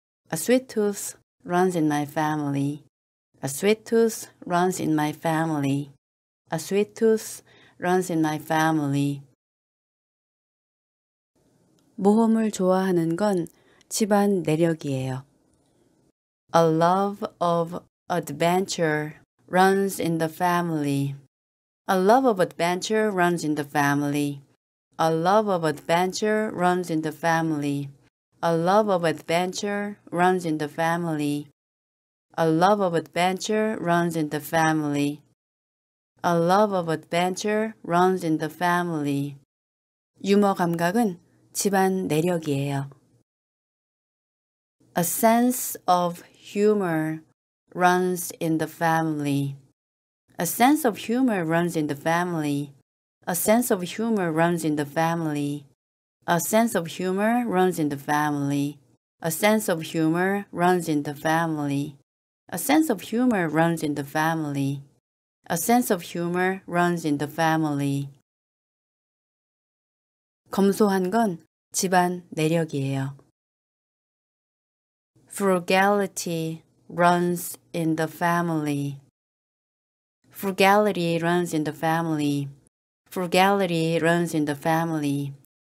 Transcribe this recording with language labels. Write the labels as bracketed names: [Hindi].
[English] A sweet tooth runs in my family. A sweet tooth runs in my family. A sweet tooth runs in my family. [Korean] 모험을 좋아하는 건 집안 내력이에요. [English] A love of adventure runs in the family. A love of adventure runs in the family. A love of adventure runs in the family. A love of adventure runs in the family. A love of adventure runs in the family. A love of adventure runs in the family. [Korean] 유머 감각은 집안 내력이에요. [English] A sense of humor runs in the family. A sense of humor runs in the family. A sense of humor runs in the family. A sense of humor runs in the family. A sense of humor runs in the family. A sense of humor runs in the family. A sense of humor runs in the family. [Korean] 검소한 건 집안 내력이에요. [English] Frugality runs in the family. Frugality runs in the family. Frugality runs in the family.